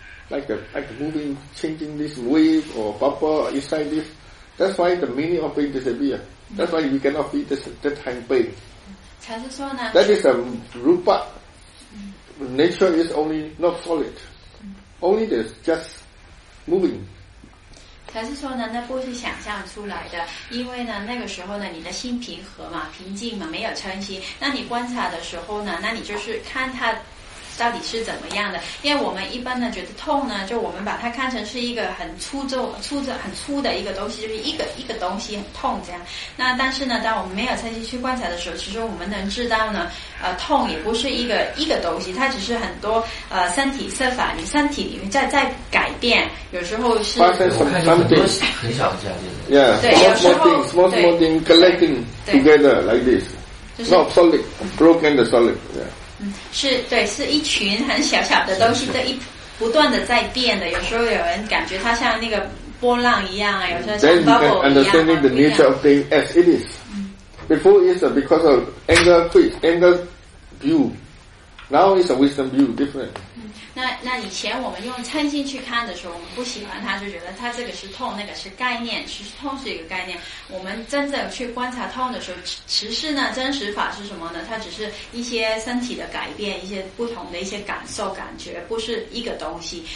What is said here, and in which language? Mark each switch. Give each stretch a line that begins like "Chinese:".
English: Like moving, changing this wave or bubble inside this. That's why the meaning of pain disappears. That's why you cannot feel that time pain. That is a rupa. Nature is only not solid, only this just moving.
Chinese: 他是说呢，那不是想象出来的，因为呢，那个时候呢，你的心平和嘛，平静嘛，没有嗔心。那你观察的时候呢，那你就是看它到底是怎么样的。因为我们一般呢，觉得痛呢，就我们把它看成是一个很粗重、很粗的一个东西，就是一个东西很痛这样。那但是呢，当我们没有嗔心去观察的时候，其实我们能知道呢。痛也不是一个东西，它只是很多身体设法，你身体里面在改变，有时候是发生什么很小的东西，对，有时候
English: small thing collecting together like this, not solid, broken the solid, yeah.
Chinese: 是对，是一群很小小的东西在一不断的在变的，有时候有人感觉它像那个波浪一样啊，有时候像 bubble 一样。
English: Then you can understanding the nature of thing as it is. Before is because of anger quit, anger view. Now is a wisdom view, different.
Chinese: 那以前我们用嗔心去看的时候，我们不喜欢它，就觉得它这个是痛，那个是概念，其实痛是一个概念。我们真正去观察痛的时候，其实呢，真实法是什么呢？它只是一些身体的改变，一些不同的一些感受感觉，不是一个东西。